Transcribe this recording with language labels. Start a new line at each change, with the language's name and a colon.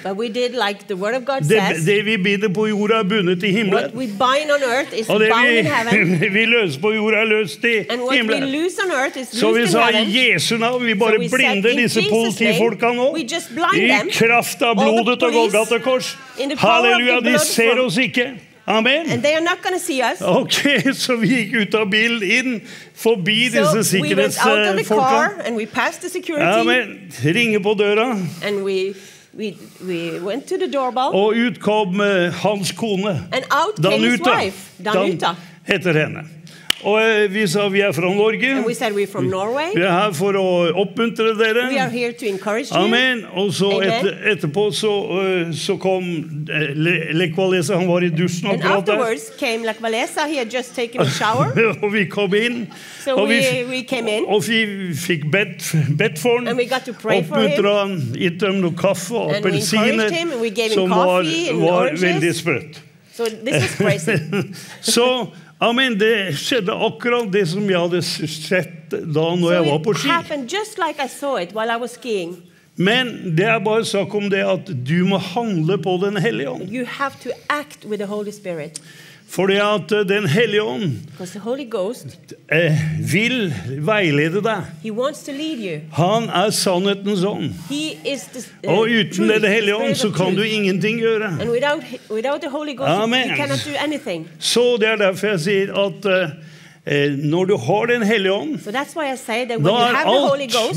English: But we did like the word of God says.
Norwegian: Det vi binder på jorda bundet i himmelen.
English: What we bind on earth is bound in heaven.
Norwegian: Og det vi løser på jorda løst i himmelen.
English: And what we lose on earth is loosed in heaven.
Norwegian: Så vi sa i Jesu navn, vi bare blinder disse politifolkene nå.
English: We just blind them.
Norwegian: I kraft av blodet og Golgata kors. Halleluja, de ser oss ikke. Amen.
English: And they are not going to see us.
Norwegian: Okay, så vi gikk ut av bilen inn forbi disse sikkerhetsfolkene.
English: So we went out of the car and we passed the security.
Norwegian: Amen. Ringe på døra.
English: And we went to the doorbell.
Norwegian: Og ut kom hans kone.
English: And out Danuta. Came his wife, Danuta.
Norwegian: Heter henne. Og vi sa vi fra Norge.
English: And we said we're from Norway.
Norwegian: Vi her for å oppmuntre dere.
English: We are here to encourage you.
Norwegian: Amen. Og så etterpå så kom Lekvalesa, han var i dusjen akkurat der.
English: And afterwards came Lekvalesa, he had just taken a shower.
Norwegian: Og vi kom inn.
English: So we came in.
Norwegian: Og vi fikk bedt for ham.
English: And we got to pray for him.
Norwegian: Oppmuntret han, gitt ham noe kaffe og appelsiner.
English: And we encouraged him, and we gave him coffee and oranges.
Norwegian: Som var veldig sprøtt.
English: So this is crazy.
Norwegian: Så... Amen, det skjedde akkurat det som jeg hadde sett da når jeg var på ski.
English: So it happened just like I saw it while I was skiing.
Norwegian: Men det bare sak om det at du må handle på den hellige ånd.
English: You have to act with the Holy Spirit.
Norwegian: Fordi at den hellige ånd
English: because the Holy Ghost
Norwegian: vil veilede deg.
English: He wants to lead you.
Norwegian: Han sannhetens ånd.
English: He is the
Norwegian: og uten den hellige ånd så kan du ingenting gjøre.
English: And without the Holy Ghost amen. You cannot do anything.
Norwegian: Så det derfor jeg sier at når du har den hellige ånd
English: so that's why I say that when you have the Holy Ghost